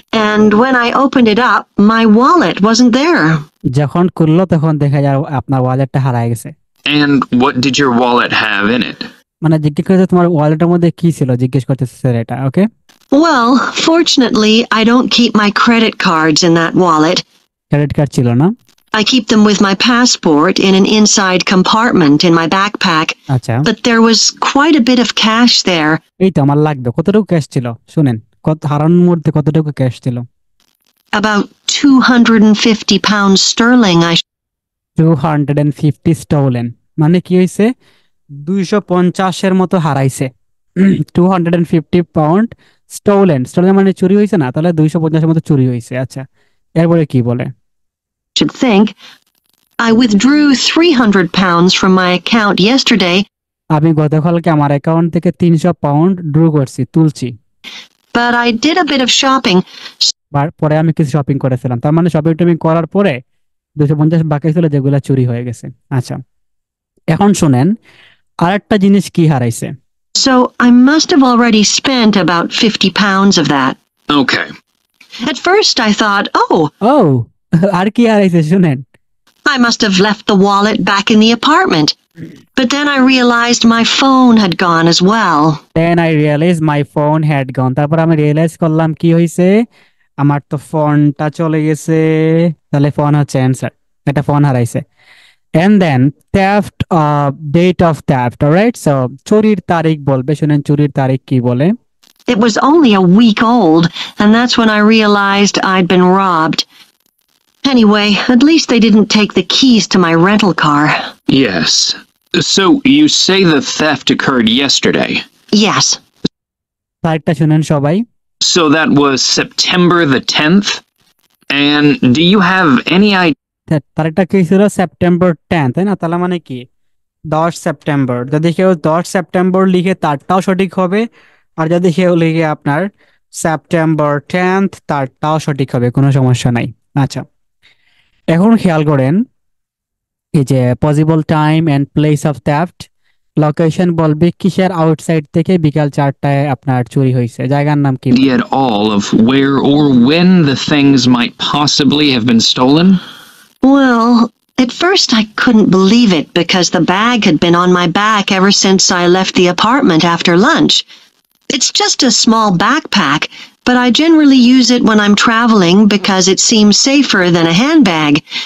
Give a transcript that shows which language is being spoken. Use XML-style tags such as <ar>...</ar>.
<en>and when I opened it up, my wallet wasn't there.</en> <bn>যখন খুলল তখন দেখা যায় আপনার ওয়ালেটটা হারিয়ে গেছে।</bn> <en>And what did your wallet have in it?</en> <bn>মানে জিজ্ঞেস করতে তোমার ওয়ালেটের মধ্যে কি ছিল জিজ্ঞেস করতেছে এটা।</bn> <en>Okay, well, fortunately, I don't keep my credit cards in that wallet.</en> <bn>Credit card ছিল না?</bn> <en>I keep them with my passport in an inside compartment in my backpack.</en> <bn>আচ্ছা,</bn> <en>but there was quite a bit of cash there.</en> <bn>এই তো আমার লাগবে, কতটুকু cash ছিল শুনেন, কত হারানোর মধ্যে কতটুকু ক্যাশ ছিল?</bn> <en>About 250 pounds sterling. I</en> <bn>250 stolen, মানে কি হইছে 250 এর মতো হারাইছে। 250 পাউন্ড স্টোলেন, স্টোলেন মানে চুরি হইছে না, তাহলে 250 এর মতো চুরি হইছে। আচ্ছা, এরপরে কি বলে?</bn> <en>Should think I withdrew 300 pounds from my account yesterday.</en> <bn>আমি গতকালকে আমার অ্যাকাউন্ট থেকে 300 পাউন্ড ড্রু করছি, তুলছি।</bn> <en>But I did a bit of shopping.</en> <bn>পরে আমি কিছু শপিং করেছিলাম, তার মানে শপিং টপিং করার পরে 250 বাকি ছিল যেগুলো চুরি হয়ে গেছে। আচ্ছা, এখন শুনেন আরেকটা জিনিস কি হারাইছে।</bn> <en>So I must have already spent about 50 pounds of that. Okay. At first I thought, oh.</en> <bn>Oh, আর কি হারাইছে শুনেন।</bn> <en>I must have left the wallet back in the apartment. But then I realized my phone had gone as well. Then I realized my phone had gone.</en> <bn>তারপর আমি realise করলাম কি হইছে, আমার তো ফোনটা চলে গেছে, তাহলে ফোন হচ্ছে অ্যান্সার, এটা ফোন হারাইছে।</bn> <en>And then theft, date of theft, all right?</en> <bn>So চুরির তারিখ বলবে, শুনেন চুরির তারিখ কি বলে।</bn> <en>It was only a week old, and that's when I realized I'd been robbed. Anyway, at least they didn't take the keys to my rental car. Yes. So you say the theft occurred yesterday? Yes.</en> <bn>তারিখটা শুনেন সবাই।</bn> <en>So that was September the 10th? And do you have any idea?</en> <bn>তারিখটা কি ছিল September 10th, তাই না? তাহলে মানে কি 10 সেপ্টেম্বর, যদি কেউ 10 সেপ্টেম্বর লিখে তারটাও সঠিক হবে, আর যদি কেউ লিখে আপনার সেপ্টেম্বর 10th তারটাও সঠিক হবে, কোনো সমস্যা নাই। আচ্ছা, এখন খেয়াল করেন এই যে</bn> <en>possible time and place of theft,</en> <bn>location বলবে কিসের আউটসাইড থেকে বিকাল 4টায় আপনার চুরি হয়েছে, জায়গার নাম কি।</bn> <en>Dear all of where or when the things might possibly have been stolen. Well, at first I couldn't believe it because the bag had been on my back ever since I left the apartment after lunch. It's just a small backpack, but I generally use it when I'm traveling because it seems safer than a handbag.</en>